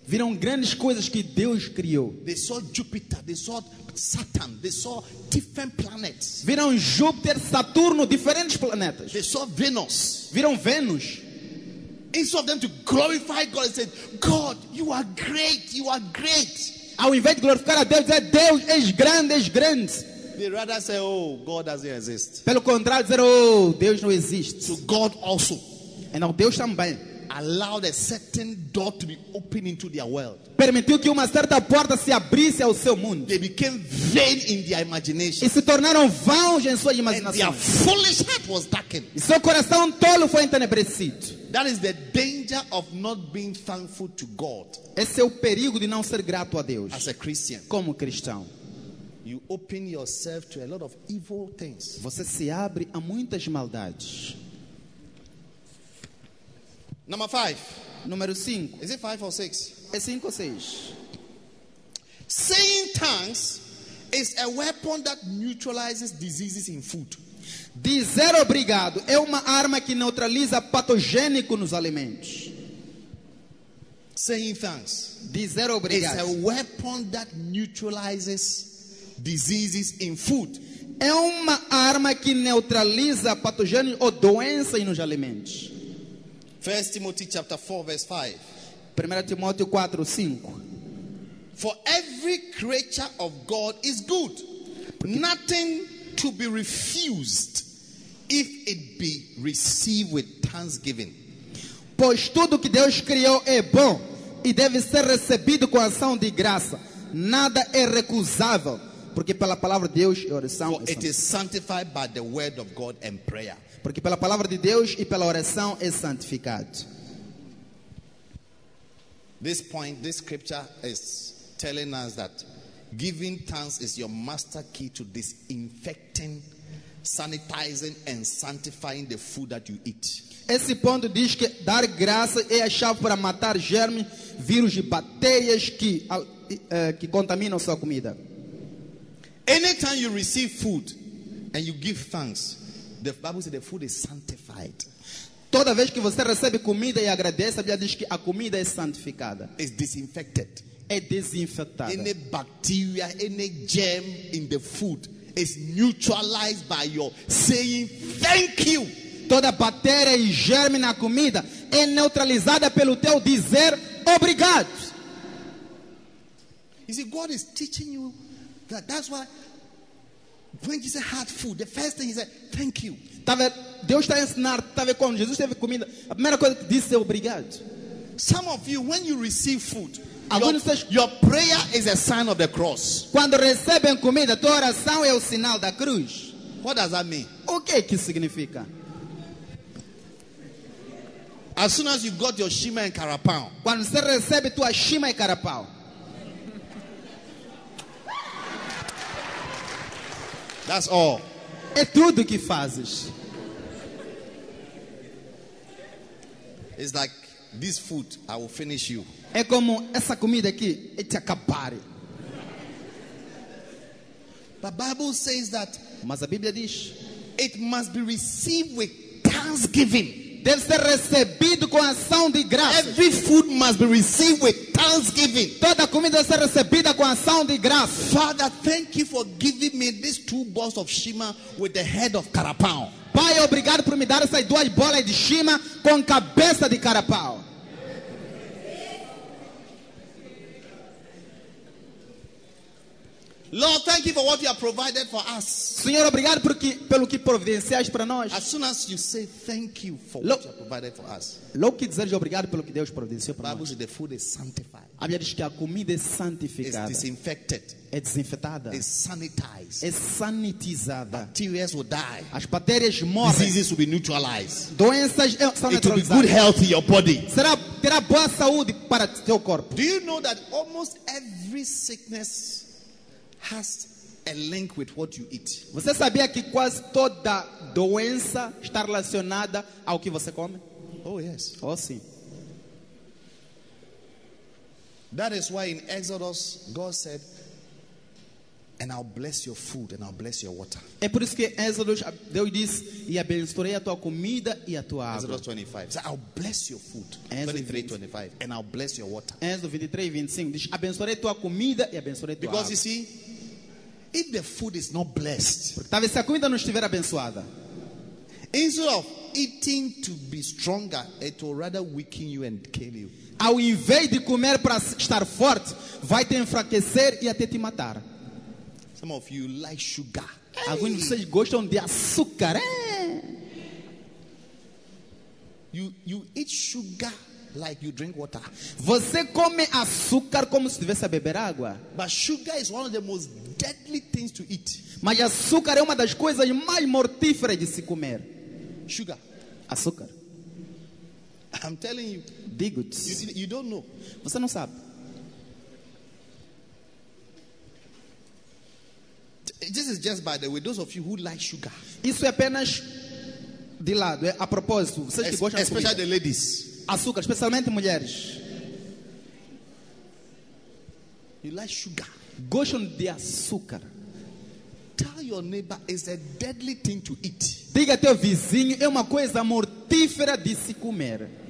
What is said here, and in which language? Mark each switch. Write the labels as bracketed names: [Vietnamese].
[Portuguese] Viram grandes coisas que Deus criou. [English] They saw Jupiter. They saw Saturn. They saw different planets. [Portuguese] Viram Júpiter, Saturno, diferentes planetas. [English] They saw Venus. [Portuguese] Viram Vênus. [English] Instead of them to glorify God, they said, "God, you are great. You are great." [Portuguese] Ao invés de glorificar a Deus, dizer, Deus é grande, és grande. [English] They rather say, "Oh, God doesn't exist." [Portuguese] Pelo contrário, dizer, "Oh, Deus não existe." [English] To God also. And now [Portuguese] Deus também [English] allowed a certain door to be opened into their world. [Portuguese] Permitiu que uma certa porta se abrisse ao seu mundo. [English] They became vain in their imagination. [Portuguese] E se tornaram vãos em sua imaginação. [English] And their foolish heart was darkened. [Portuguese] E seu coração tolo foi entenebrecido. [English] That is the danger of not being thankful to God. [Portuguese] Esse é o perigo de não ser grato a Deus. [English] As a Christian. [Portuguese] Como cristão. [English] You open yourself to a lot of evil things. [Portuguese] Você se abre a muitas maldades. [English] Number 5. [Portuguese] Número 5. [English] Is it 5 or 6? [Portuguese] É 5 ou 6. [English] Saying tongues is a weapon that neutralizes diseases in food. [Portuguese] Dizer obrigado é uma arma que neutraliza patogênico nos alimentos. [English] Saying thanks. [Portuguese] Dizer obrigado. [English] Is a weapon that neutralizes diseases in food. [Portuguese] É uma arma que neutraliza patogênico ou doença nos alimentos. [English] 1 Timothy chapter 4 verse 5. [Portuguese] 1 Timóteo 4, 5. [English] For every creature of God is good. [Portuguese] Porque [English] nothing to be refused if it be received with thanksgiving. [Portuguese] Pois tudo que Deus criou é bom e deve ser recebido com ação de graça. Nada é recusável, porque pela palavra de Deus e oração. [English] For it is sanctified by the word of God and prayer. [Portuguese] Porque pela palavra de Deus e pela oração é santificado. [English] This point, this scripture is telling us that giving thanks is your master key to disinfecting, sanitizing and sanctifying the food that you eat. [Portuguese] Esse ponto diz que dar graça é a chave para matar germes, vírus e bactérias que contaminam sua comida. [English] Anytime you receive food and you give thanks, the Bible says the food is sanctified. [Portuguese] Toda vez que você recebe comida e agradece, a Bíblia diz que a comida é santificada. [English] It's disinfected. [Portuguese] É desinfectada. [English] Any bacteria, any germ in the food is neutralized by your saying thank you. [Portuguese] Toda bactéria e germe na comida é neutralizada pelo teu dizer obrigado. [English] You see, God is teaching you that. That's why when Jesus had food, the first thing he said, thank you. [Portuguese] Deus está ensinando, está vendo quando Jesus teve comida, a primeira coisa que disse é obrigado. [English] Some of you, when you receive food, your prayer is a sign of the cross. [Portuguese] Quando recebem comida, tua oração é o sinal da cruz. [English] What does that mean? [Portuguese] O que é que significa? [English] As soon as you got your shima and carapau. [Portuguese] Quando você recebe tua shima e carapau. [English] That's all. [Portuguese] É tudo que fazes. [English] It's like this food, I will finish you. [Portuguese] É como essa comida aqui, é te acabar. [English] But Bible says that. [Portuguese] Mas a Bíblia diz, [English] it must be received with thanksgiving. [Portuguese] Deve ser recebido com ação de graças. [English] Every food must be received with thanksgiving. [Portuguese] Toda comida deve ser recebida com ação de graças. [English] Father, thank you for giving me these two balls of shima with the head of carapau. [Portuguese] Pai, obrigado por me dar essas duas bolas de shima com cabeça de carapau. [English] Lord, thank you for what you have provided for us. [Portuguese] Senhor, obrigado pelo que providenciaste para nós. [English] As soon as you say thank you for what you have provided for us. [Portuguese] Logo que dizeres obrigado pelo que Deus providenciou para nós. [English] The food is sanctified. [Portuguese] A Bíblia diz que a comida é santificada. [English] It's disinfected. [Portuguese] É desinfetada. [English] It's sanitized. [Portuguese] É sanitizada. [English] Bacterias will die. [Portuguese] As bactérias morrem. [English] Diseases will be neutralized. [Portuguese] Doenças são neutralizadas. [English] It will be good health in your body. [Portuguese] Será terá boa saúde para teu corpo. [English] Do you know that almost every sickness has a link with what you eat? [Portuguese] Você sabia que quase toda doença está relacionada ao que você come? [English] Oh yes. [Portuguese] Oh sim. [English] That is why in Exodus God said, And I'll bless your food and I'll bless your water. [Portuguese] É por isso que Exodus Deus diz e abençoarei a tua comida e a tua água. [English] Exodus 25. So I'll bless your food. Exodus 23:25. And I'll bless your water. [Portuguese] Exodus 23:25 diz abençoarei tua comida e abençoarei tua [English] Because Because you see, if the food is not blessed, [Portuguese] porque talvez se a comida não estiver abençoada, [English] instead of eating to be stronger, it will rather weaken you and kill you. [Portuguese] Ao invés de comer para estar forte, vai te enfraquecer e até te matar. [English] Some of you like sugar. [Portuguese] Alguns de vocês gostam de açúcar. [English] You eat sugar like you drink water. [Portuguese] Você come açúcar como se estivesse a beber água. [English] But sugar is one of the most deadly things to eat. [Portuguese] Mas açúcar é uma das coisas mais mortíferas de se comer. [English] Sugar. [Portuguese] Açúcar. [English] I'm telling you. [Portuguese] Digo-te. [English] You don't know. [Portuguese] Você não sabe. [English] This is just by the way, those of you who like sugar. [Portuguese] Isso é apenas de lado, a propósito, vocês que gostam de [English] especially The ladies. [Portuguese] Açúcar, especialmente mulheres. [English] You like sugar. [Portuguese] Gostam de açúcar. [English] Tell your neighbor it's a deadly thing to eat. [Portuguese] Diga ao teu vizinho, é uma coisa mortífera de se comer.